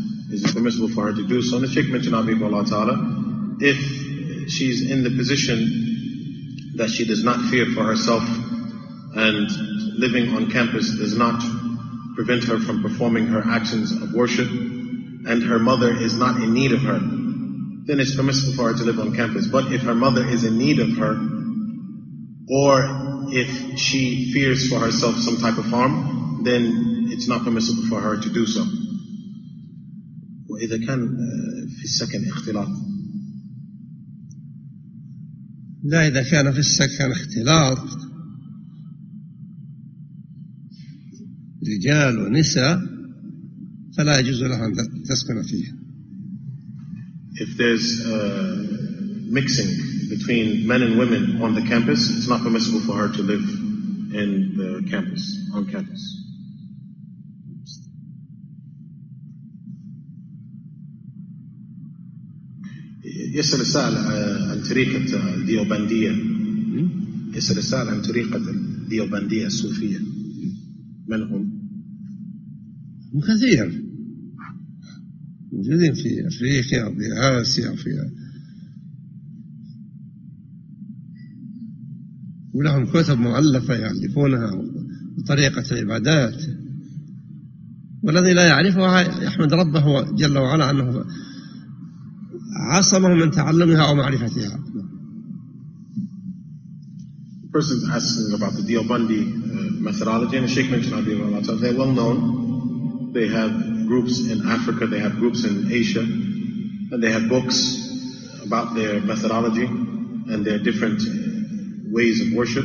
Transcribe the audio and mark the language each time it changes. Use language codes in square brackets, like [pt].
[en] Is it permissible for her to do so? And the Sheikh mentioned, Abi Allah Ta'ala, if she's in the position that she does not fear for herself and living on campus does not prevent her from performing her actions of worship and her mother is not in need of her, then it's permissible for her to live on campus. But if her mother is in need of her, or if she fears for herself some type of harm, then it's not permissible for her to do so. [ar] وإذا كان في السكن اختلاط لا إذا كان في السكن اختلاط رجال ونساء فلا يجوز لها أن تسكن فيه [en] If there's mixing between men and women on the campus, it's not permissible for her to live in the campus, on campus. [ar] يسأل السائل عن طريقة الديوبندية. يسأل السائل عن طريقة الديوبندية الصوفية. من هم؟ كثير. موجودين في أفريقيا أو في آسيا أو في ولهم كتب مؤلفة يعرفونها وطريقة العبادات والذي لا يعرفها يحمد ربه جل وعلا أنه عصمه من تعلمها أو معرفتها [en] The person is asking about the Diobandi methodology and the Sheikh mentioned about it. They're well known. They have groups in Africa, they have groups in Asia, and they have books about their methodology and their different ways of worship.